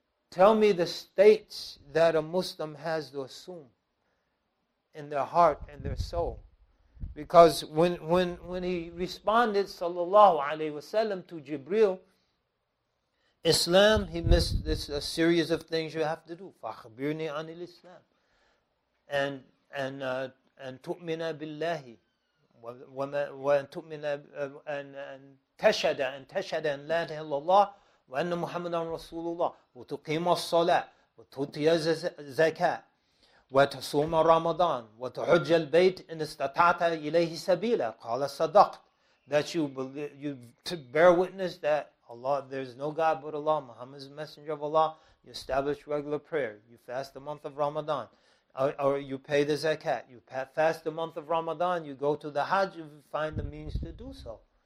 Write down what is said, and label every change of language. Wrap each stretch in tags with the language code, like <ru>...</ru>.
<en>Tell me the states that a Muslim has to assume in their heart and their soul. Because when he responded, sallallahu alayhi wasallam, to Jibril, Islam, he missed this a series of things you have to do.</en> <ar>فَأَخْبِرْنِي عَنِ الْإِسْلَامِ. And تُؤْمِنَ بِاللَّهِ وأن تؤمن أن تشهد أن تشهد أن لا إله إلا الله وأن محمدا رسول الله وتقيم الصلاة وتؤتي الزكاة وتصوم رمضان وتحج البيت إن استطعت إليه سبيلا قال صدقت.</ar> <en>That you bear witness that Allah, there is no God but Allah, Muhammad is the messenger of Allah, you establish regular prayer, you fast the month of Ramadan, or you pay the zakat, you fast the month of Ramadan, you go to the Hajj, you find the means to do so.</en>